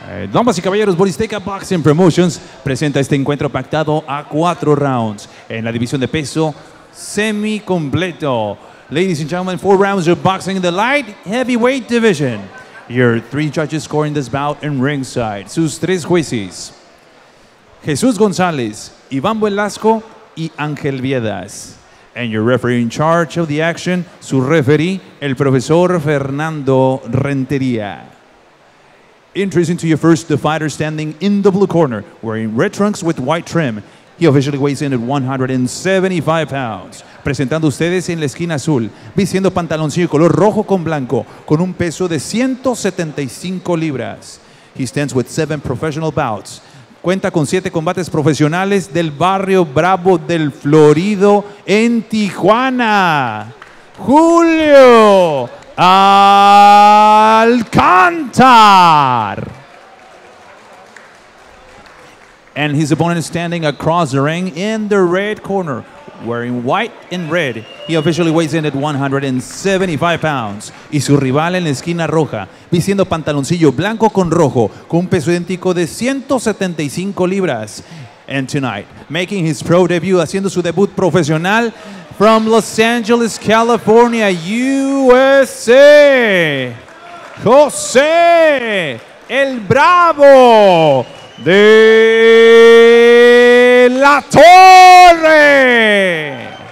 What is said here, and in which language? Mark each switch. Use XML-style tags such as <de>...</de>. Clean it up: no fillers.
<es>Damas y caballeros, Borizteca Boxing Promotions presenta este encuentro pactado a 4 rounds en la división de peso semi-completo.</es> <en>Ladies and gentlemen, 4 rounds of boxing in the light heavyweight division. Your 3 judges scoring this bout in ringside.</en> <es>Sus 3 jueces. Jesús González, Iván Velasco y Ángel Viedas.</es> <en>And your referee in charge of the action,</en> <es>su referee, el profesor</es> <en>Fernando Rentería. Introducing to your first, the fighter standing in the blue corner, wearing red trunks with white trim. He officially weighs in at 175 pounds.</en> <es>Presentando ustedes en la esquina azul, vistiendo pantaloncillo color rojo con blanco, con un peso de 175 libras.</es> <en>He stands with 7 professional bouts.</en> <es>Cuenta con 7 combates profesionales del barrio Bravo del Florido en Tijuana. Julio Alcantar.</es> <en>And his opponent is standing across the ring in the red corner, wearing white and red. He officially weighs in at 175 pounds.</en> <es>Y su rival en la esquina roja, vistiendo pantaloncillo blanco con rojo, con un peso idéntico de 175 libras.</es> <en>And tonight, making his pro debut,</en> <es>haciendo su debut profesional,</es> <en>from Los Angeles, California, USA, José El Bravo de la Torre.</en>